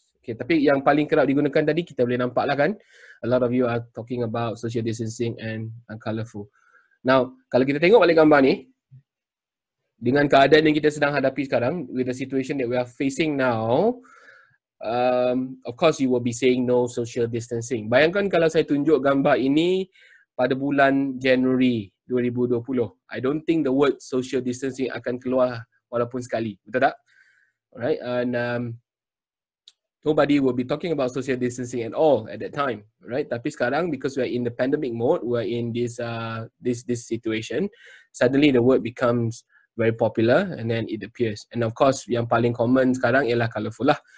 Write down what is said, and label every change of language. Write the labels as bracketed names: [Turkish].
[Malay] Okay, tapi yang paling kerap digunakan tadi, kita boleh nampak lah kan. [English] A lot of you are talking about social distancing and colorful. Now, [Malay] kalau kita tengok balik gambar ni, dengan keadaan yang kita sedang hadapi sekarang, [English] with the situation that we are facing now, of course you will be saying no social distancing. [Malay] Bayangkan kalau saya tunjuk gambar ini pada bulan Januari 2020. [English] I don't think the word social distancing [Malay] akan keluar walaupun sekali. Betul tak? Alright. [English] And nobody will be talking about social distancing at all at that time. Right? [Malay] Tapi sekarang, [English] because we are in the pandemic mode, we are in this this situation, suddenly the word becomes very popular and then it appears. And of course, [Malay] yang paling common sekarang ialah colourful lah.